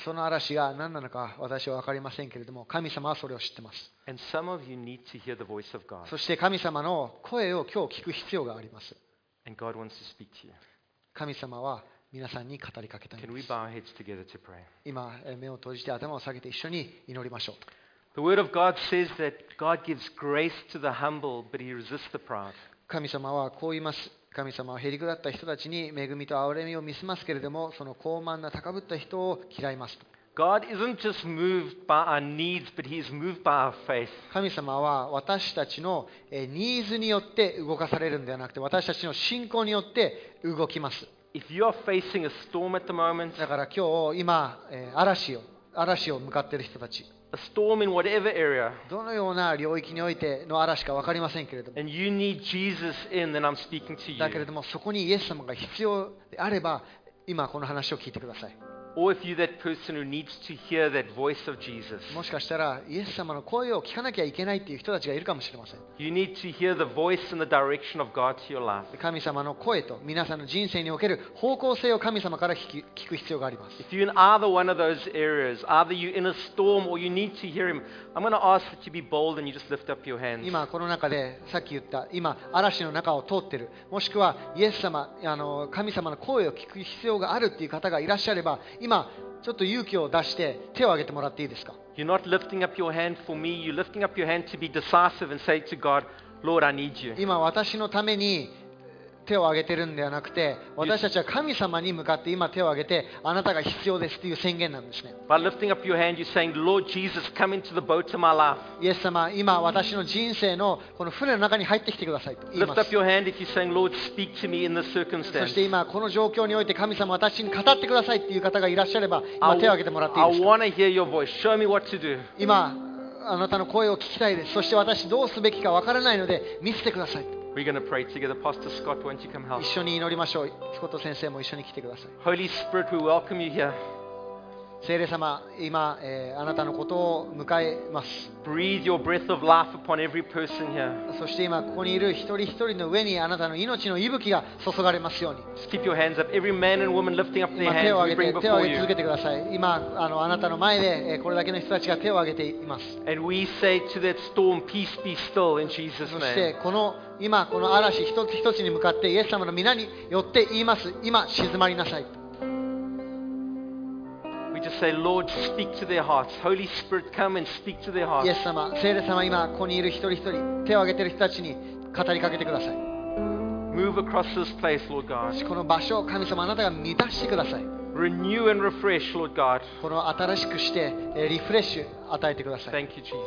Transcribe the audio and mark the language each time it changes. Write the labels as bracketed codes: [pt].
[ja] その嵐が何なのか私は分かりませんけれども、神様はそれを知っています。 [en] And some of you need to hear the voice of God. [ja] そして神様の声を今日聞く必要があります。 [en] And God wants to speak to you. [ja] 神様は皆さんに語りかけたいです。 [en] Can we bow our heads together to pray? [ja] 今、目を閉じて頭を下げて一緒に祈りましょう。 [en] The word of God says that God gives grace to the humble, but He resists the proud. [ja] 神様はこう言います。神様はへりくだった人たちに恵みと憐れみを見せますけれども、その高慢な高ぶった人を嫌います。 [en] God isn't just moved by our needs, but He is moved by our faith. [ja] 神様は私たちのニーズによって動かされるのではなくて、私たちの信仰によって動きます。 [en] If you are facing a storm at the moment, [ja] だから今日今嵐を向かっている人たち。 [en] A storm in whatever area. [ja] どのような領域においての嵐か分かりませんけれども。 [en] And you need Jesus in, then I'm speaking to you. [ja] だけれどもそこにイエス様が必要であれば、今この話を聞いてください。 [en] Or if you're that person who needs to hear that voice of Jesus. [ja] もしかしたらイエス様の声を聞かなきゃいけないっていう人たちがいるかもしれません。 [en] You need to hear the voice and the direction of God to your life. [ja] 神様の声と皆さんの人生における方向性を神様から聞く必要があります。 [en] If you're in either one of those areas, either you're in a storm or you need to hear Him, I'm going to ask that you be bold and you just lift up your hands. [ja] 今この中でさっき言った今嵐の中を通ってる、もしくはイエス様神様の声を聞く必要があるっていう方がいらっしゃれば。今ちょっと勇気を出して手を挙げてもらっていいですか。 [en] You're not lifting up your hand for me. You're lifting up your hand to be decisive and say to God, Lord, I need you. [ja] 今私のために手を挙げてるんではなくて、私たちは神様に向かって今手を挙げて、あなたが必要ですという宣言なんですね。 [en] By lifting up your hand, you're saying, Lord Jesus, come into the boat of my life. [ja] イエス様、今私の人生のこの船の中に入ってきてくださいと言います。 [en] Lift up your hand if you're saying, Lord, speak to me in this circumstance. [ja] そして今この状況において神様私に語ってくださいっていう方がいらっしゃれば、今手を挙げてもらっていいですか。 [en] I want to hear your voice. Show me what to do. [ja] 今あなたの声を聞きたいです。そして私どうすべきかわからないので見せてください。 [en] We're going to pray together. Pastor Scott, won't you come help? [ja] 一緒に祈りましょう。スコット先生も一緒に来てください。 [en] Holy Spirit, we welcome you here. [ja] 聖霊様、今、あなたのことを迎えます。 [en] Breathe your breath of life upon every person here. [ja] そして今ここにいる一人一人の上にあなたの命の息吹が注がれますように。 [en] Just keep your hands up. Every man and woman lifting up their hands. [ja] 手を挙げて、手を挙げ続けてください。今あなたの前でこれだけの人たちが手を挙げています。 [en] And we say to that storm, peace be still in Jesus' name. [ja] そしてこの今この嵐一つ一つに向かってイエス様の皆によって言います、今静まりなさい。 [en] We just say, Lord, speak to their hearts. Holy Spirit, come and speak to their hearts. [ja] イエス様、聖霊様、今ここにいる一人一人、手を挙げている人たちに語りかけてください。 [en] Move across this place, Lord God. [ja] この場所を神様あなたが満たしてください。 [en] Renew and refresh, Lord God. [ja] この新しくしてリフレッシュ与えてください。 [en] Thank you, Jesus.